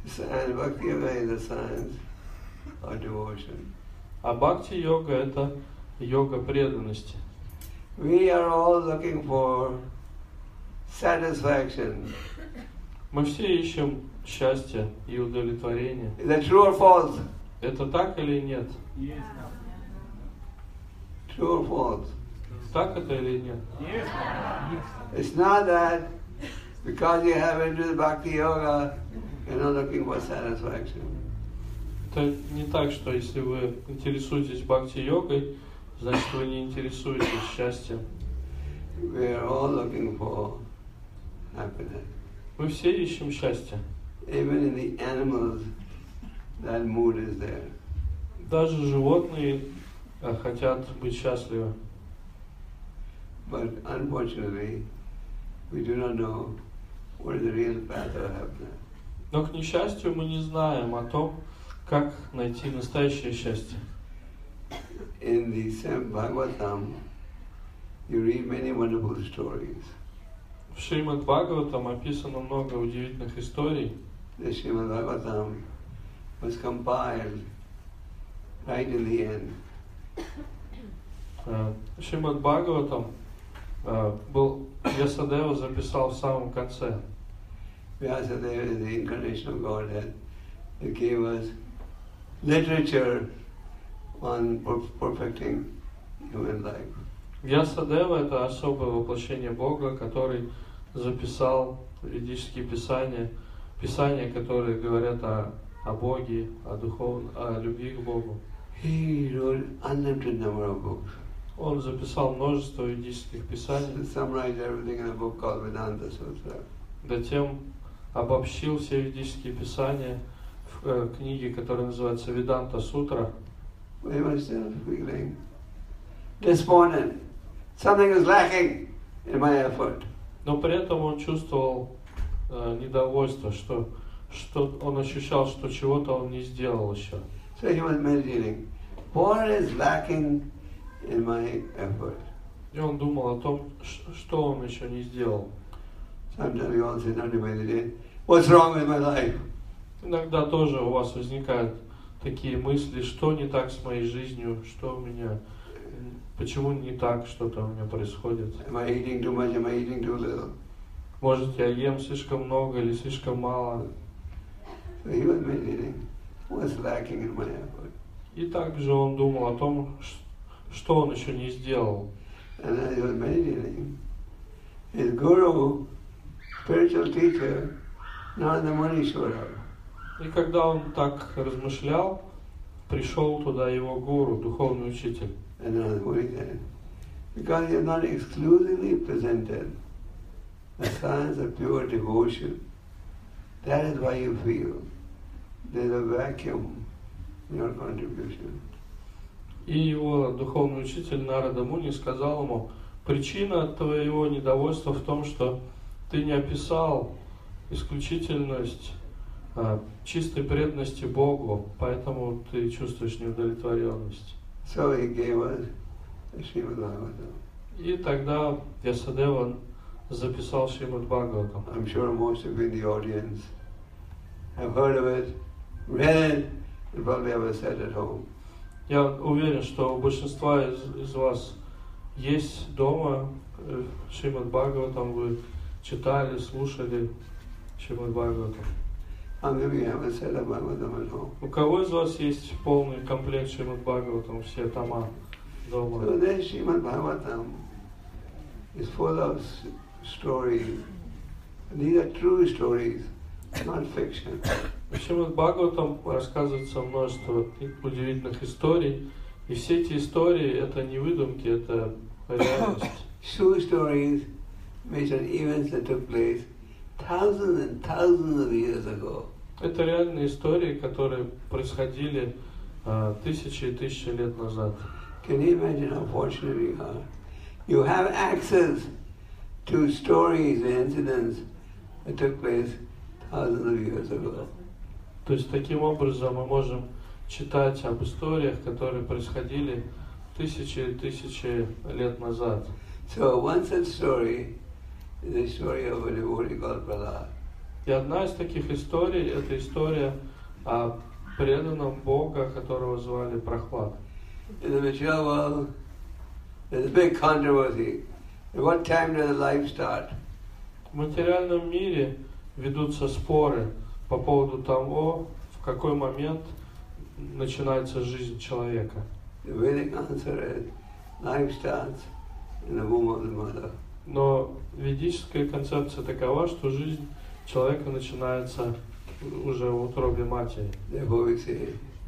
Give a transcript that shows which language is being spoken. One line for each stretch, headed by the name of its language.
English: And bhakti yoga is the science of devotion.
Russian: А бхакти йога это йога преданности.
English: We are all looking for satisfaction.
Russian: Мы все ищем счастье и удовлетворение.
English: Is that true or false?
Russian: Это так или нет?
English: Yes. True or false?
Russian: Так это или нет?
English: Yes. It's not that because you have entered bhakti yoga. You're not looking for satisfaction.
Russian: Это не так, что если вы интересуетесь бхакти-йогой, значит вы не интересуетесь счастьем.
English: We are all looking for happiness.
Russian: Мы все ищем счастье.
English: Even in the animals, that mood is there.
Russian: Даже животные хотят быть счастливы.
English: But unfortunately, we do not know what is the real path of happiness.
Russian: Но к несчастью мы не знаем о том, как найти настоящее счастье.
English: In the same Bhagavatam, you read many wonderful stories.
Russian: В Шримад Бхагаватам описано много удивительных историй.
English: The Shrimad Bhagavatam was compiled right in the end.
Russian: Шримад Бхагаватам был Ясадева записал в самом конце.
English: Ясадева is the incarnation of Godhead that gave us literature on perfecting human life.
Russian: Ясадева это особое воплощение Бога, который записал ведические писания, писания, которые говорят о Боге, о духовном, о любви к Богу.
English: He wrote unlimited number of books.
Russian: Он записал множество ведических писаний.
English: Summarized everything in a book called Vedanta Sutra.
Russian: Затем обобщил все ведические писания в книге, которая называется Веданта Сутра.
English: We were still feeling despondent. Something was lacking in my effort.
Russian: Но при этом он чувствовал недовольство, что он ощущал, что чего-то он не сделал еще.
English: So he was meditating. What is lacking in my effort?
Russian: И он думал о том, что он еще не сделал.
English: Sometimes we all say, "Not in my day. What's wrong with my life?"
Russian: Иногда тоже у вас возникают такие мысли, что не так с моей жизнью, что у меня. Почему не так что-то у меня происходит?
English: Am I eating too much? Am I eating too little?
Russian: Может, я ем слишком много или слишком мало?
English: So he was meditating. What's lacking in my effort?
Russian: И также он думал о том, что он еще не сделал.
English: And as he was meditating, his guru, spiritual teacher, Narada Muni showed up.
Russian: И когда он так размышлял, пришел туда его гуру, духовный учитель.
English: And then the Buddha said, because you have not exclusively presented the science of pure devotion, that is why you feel there's a vacuum in your contribution.
Russian: И его духовный учитель Нарада Муни сказал ему, причина твоего недовольства в том, что ты не описал исключительность чистой преданности Богу, поэтому ты чувствуешь неудовлетворенность.
English: So he gave us the Shrimad Bhagavatam.
Russian: И тогда Ясадева записал Шримад Бхагаватам.
English: I'm sure most of you in the audience have heard of it, read it, and probably have said at home.
Russian: Я уверен, что у большинства из вас есть дома Шримад Бхагаватам, вы читали, слушали Шримад Бхагаватам. У кого из вас есть полный комплект Шримад Бхагаватам, все тома дома?
English: So then Шримад Бхагаватам is full of stories. These are true stories, not fiction.
Russian: Шримад Бхагаватам рассказывается множество удивительных историй, и все эти истории это не выдумки, это реальность.
English: True stories based on events that took place thousands and thousands of years ago.
Russian: Это реальные истории, которые происходили тысячи и тысячи лет назад.
English: Can you imagine how fortunate you are? You have access to stories and incidents that took place thousands of years ago.
Russian: То есть таким образом мы можем читать об историях, которые происходили тысячи и тысячи лет назад.
English: So one such story is the story of a devotee called Prahlad.
Russian: И одна из таких историй – это история о преданном Бога, которого звали Прохлад.
English: In the material world, there's a big controversy. At what time does life start?
Russian: В материальном мире ведутся споры по поводу того, в какой момент начинается жизнь человека.
English: The Vedic answer is, life starts in the womb of the mother.
Russian: Но ведическая концепция такова, что жизнь человека начинается уже в утробе матери.